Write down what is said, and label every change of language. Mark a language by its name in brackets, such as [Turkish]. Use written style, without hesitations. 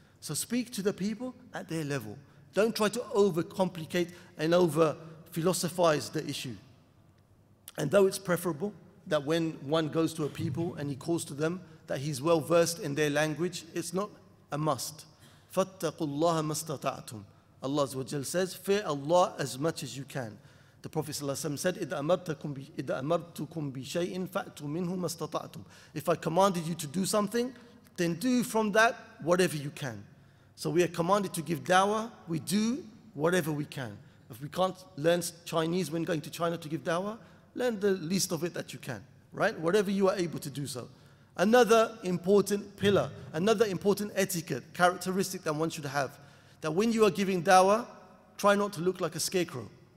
[English] So speak to the people at their level. Don't try to overcomplicate and over-philosophize the issue. And though it's preferable that when one goes to a people and he calls to them, that he's well-versed in their language, it's not a must. [Arabic] فَاتَّقُوا اللَّهَ مَا اسْتَطَعْتُمْ. [English] Allah Azza wa Jal says, fear Allah as much as you can. The Prophet ﷺ said, [Arabic] إِذَا أَمَرْتُكُمْ بِشَيْءٍ فَأْتُوا مِنْهُ مَا اسْتَطَعْتُمْ. [English] If I commanded you to do something, then do from that whatever you can. So we are commanded to give dawah, we do whatever we can. If we can't learn Chinese when going to China to give dawah, learn the least of it that you can, right? Whatever you are able to do so. Another important pillar, another important etiquette, characteristic that one should have, that when you are giving dawah, try not to look like a scarecrow.